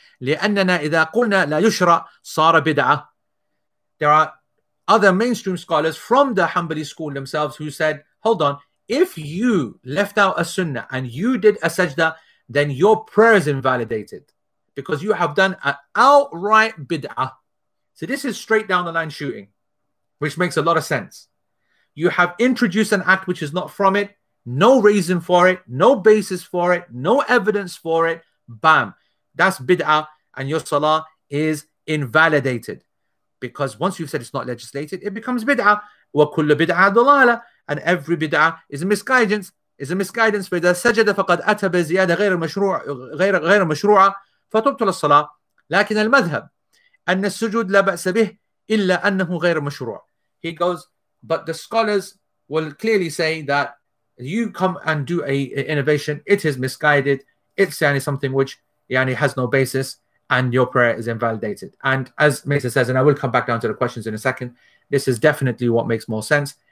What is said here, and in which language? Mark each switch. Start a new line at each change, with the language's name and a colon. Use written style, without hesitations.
Arabic: لأننا إذا قلنا لا يشرع صار بدعة.
English: There are other mainstream scholars from the Hanbali school themselves who said, hold on, if you left out a sunnah and you did a sajda, then your prayer is invalidated because you have done an outright bid'ah. So this is straight down the line shooting, which makes a lot of sense. You have introduced an act which is not from it, no reason for it, no basis for it, no evidence for it, bam. That's bid'ah and your salah is invalidated. Because once you've said it's not legislated, it becomes bid'ah.
Arabic: وَكُلُّ بِدْعَةٍ ضَلَالَةٍ.
English: And every bid'ah is a misguidance. Is a misguidance.
Arabic: فَإِذَا سَجَدَ فَقَدْ أَتَى بِزِيَادَةٍ غَيْرَ مَشْرُوعَةٍ فَتُبْطِلُ الصَّلَاةَ. لكن المذهب أن السجود لا بأس به إلا أنه غير مشروع.
English: He goes, but the scholars will clearly say that you come and do an innovation, it is misguided, it's يعني something which يعني has no basis, and your prayer is invalidated. And as Mesa says, and I will come back down to the questions in a second, this is definitely what makes more sense.